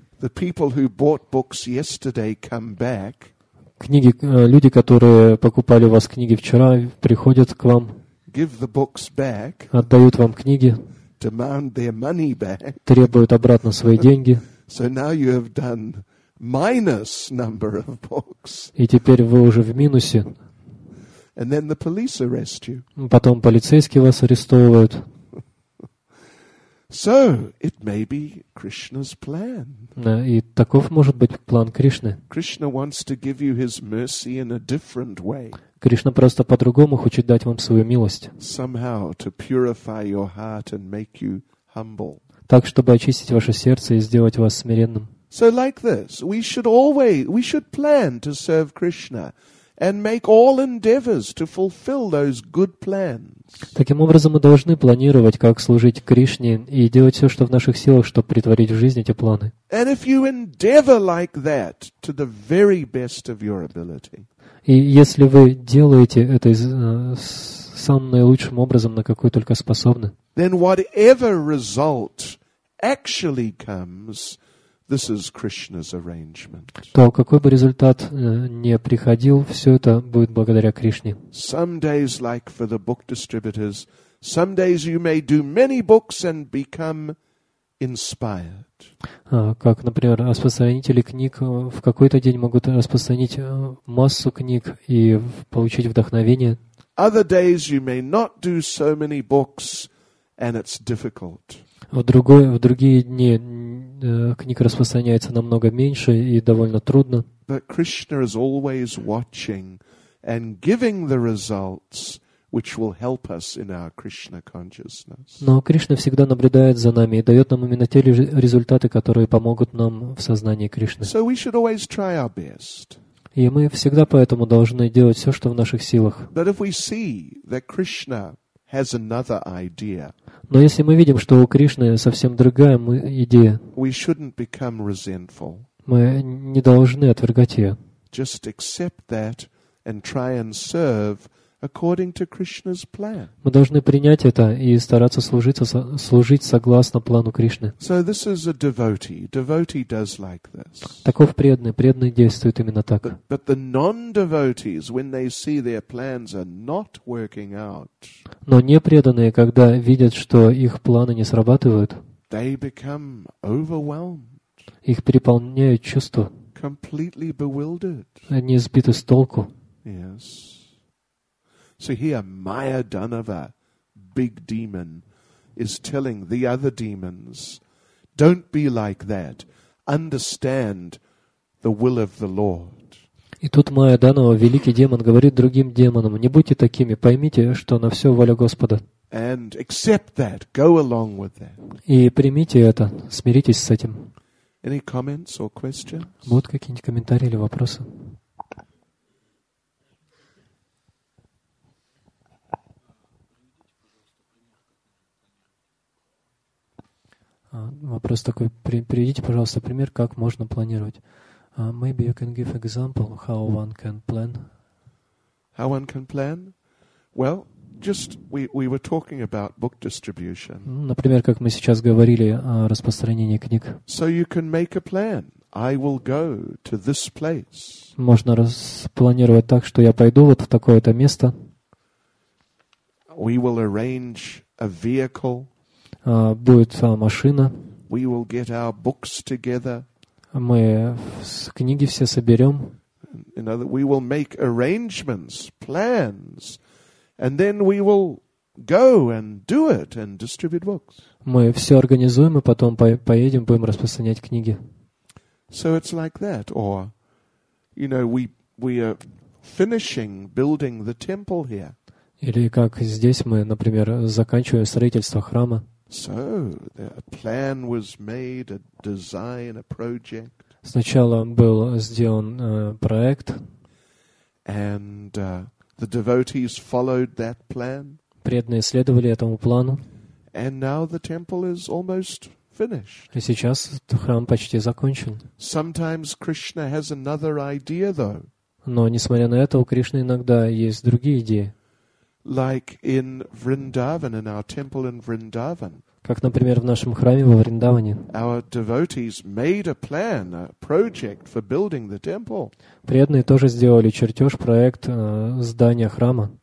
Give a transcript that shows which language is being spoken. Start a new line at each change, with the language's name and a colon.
English: The people who bought books yesterday come back.
Russian: Книги, люди, которые покупали у вас книги вчера, приходят к вам,
English: give the books back,
Russian: отдают вам книги,
English: demand their money back.
Russian: Требуют обратно свои деньги.
English: So now you have done minus number of books.
Russian: И теперь вы уже в минусе.
English: And then the police arrest you.
Russian: Потом полицейские вас арестовывают.
English: So it may be Krishna's plan.
Russian: И таков может быть план Кришны.
English: Krishna wants to give you his mercy in a different way.
Russian: Кришна просто по-другому хочет дать вам свою милость.
English: Somehow to purify your heart and make you humble.
Russian: Так, чтобы очистить ваше сердце и сделать вас смиренным.
English: So like this, we should plan to serve Krishna. And make all endeavors to fulfill those good plans.
Russian: Таким образом, мы должны планировать, как служить Кришне и делать все, что в наших силах, чтобы притворить в жизнь эти планы.
English: And if you endeavor like that to the very best of your ability.
Russian: И если вы делаете это самым наилучшим образом, на какой только способны.
English: Then whatever result actually comes. This is Krishna's arrangement.
Russian: То, какой бы результат ни приходил, все это будет благодаря Кришне.
English: Some days, like for the book distributors, some days you may do many books and become inspired.
Russian: Как, например, распространители книг в какой-то день могут распространить массу книг и получить вдохновение.
English: Other days you may not do so many books, and it's difficult.
Russian: В другие дни книг распространяется намного меньше и довольно трудно.
English: But Krishna is always watching and giving the results which will help us in our Krishna consciousness.
Russian: Но Кришна всегда наблюдает за нами и дает нам именно те результаты, которые помогут нам в сознании Кришны.
English: So we should always try our best.
Russian: И мы всегда поэтому должны делать все, что в наших силах.
English: But if we see that Krishna has another idea.
Russian: Но если мы видим, что у Кришны совсем другая идея,
English: we shouldn't become resentful.
Russian: Мы не должны отвергать ее.
English: Just accept that and try and serve according to Krishna's plan.
Russian: Мы должны принять это и стараться служить согласно плану Кришны.
English: So this is a devotee. Devotee does like this.
Russian: Таков преданный. Преданный действует именно так.
English: But the non-devotees, when they see their plans are not working out,
Russian: но непреданные, когда видят, что их планы не срабатывают,
English: they become overwhelmed.
Russian: Их переполняют чувства.
English: Completely bewildered.
Russian: Они сбиты с толку.
English: Yes. So here, Maya Dhanava, big demon, is telling the other demons, don't be like that. Understand the will of the Lord.
Russian: И тут Майя Данова, великий демон, говорит другим демонам, не будьте такими, поймите, что на все воля Господа.
English: And accept that. Go along with that.
Russian: И примите это, смиритесь с этим.
English: Any comments or questions?
Russian: Будут какие-нибудь комментарии или вопросы? Вопрос такой, приведите, пожалуйста, пример, как можно планировать.
English: Maybe you can give example how one can plan. How one can plan? Well, just we were talking about book distribution.
Russian: Например, как мы сейчас говорили о распространении книг.
English: So you can make a plan. I will go to this place.
Russian: Можно распланировать так, что я пойду вот в такое-то место.
English: We will arrange a vehicle.
Russian: Будет машина.
English: We will get our books together.
Russian: Мы книги все соберем.
English: We will make arrangements, plans, and then we will go and do it and distribute books.
Russian: Мы все организуем и потом поедем, будем распространять книги.
English: So it's like that, or you know, we are finishing building the temple here.
Russian: Или как здесь мы, например, заканчиваем строительство храма.
English: So a plan was made, a design, a project.
Russian: Сначала был сделан проект.
English: And the devotees followed that plan.
Russian: Преданные следовали этому плану.
English: And now the temple is almost finished.
Russian: И сейчас храм почти закончен.
English: Sometimes Krishna has another idea, though.
Russian: Но несмотря на это, у Кришны иногда есть другие идеи.
English: Like in Vrindavan, in our temple in Vrindavan.
Russian: Как, например, в нашем храме во Вриндаване.
English: Our devotees made a plan, a project for building the temple.
Russian: Преданные тоже сделали чертеж, проект здания храма.